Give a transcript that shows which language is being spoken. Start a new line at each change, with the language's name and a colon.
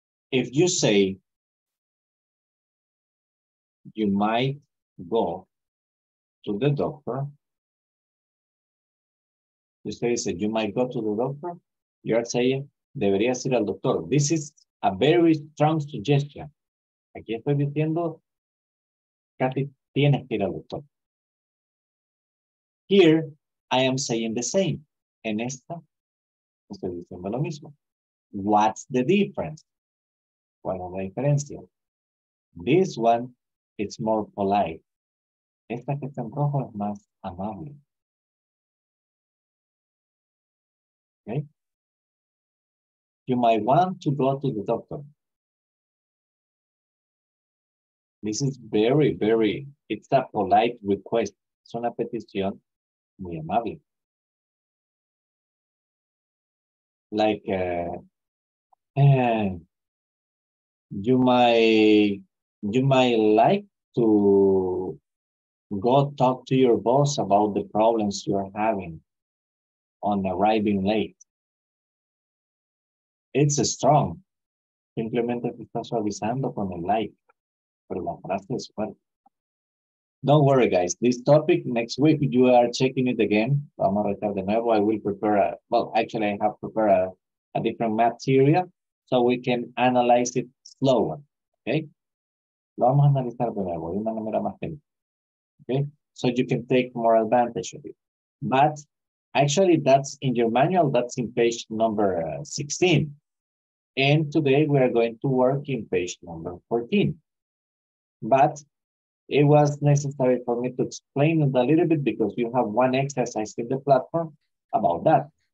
English: If you say, you might go to the doctor, you say, you might go to the doctor, you are saying,
Spanish: deberías ir al doctor.
English: This is a very strong suggestion.
Spanish: Aquí estoy diciendo, casi tienes que ir al doctor.
English: Here, I am saying the same.
Spanish: En esta, estoy diciendo lo mismo.
English: What's the difference?
Spanish: ¿Cuál es la diferencia?
English: This one is more polite.
Spanish: Esta que está en rojo es más amable.
English: Okay? You might want to go to the doctor. This is very, very, it's a polite request.
Spanish: Es una petición muy amable.
English: Like, you might like to go talk to your boss about the problems you are having on arriving late. It's strong.
Spanish: Simplemente te estás suavizando con el like. Pero la frase es fuerte.
English: Don't worry, guys. This topic, next week, you are checking it again.
Spanish: Vamos a retar de nuevo.
English: I will prepare I have prepared a different material so we can analyze it slower. Okay?
Spanish: Lo vamos a analizar de nuevo, de una manera más técnica.
English: Okay? So you can take more advantage of it. But actually, that's in your manual. That's in page number 16. And today, we are going to work in page number 14. But it was necessary for me to explain it a little bit because you have one exercise in the platform about that.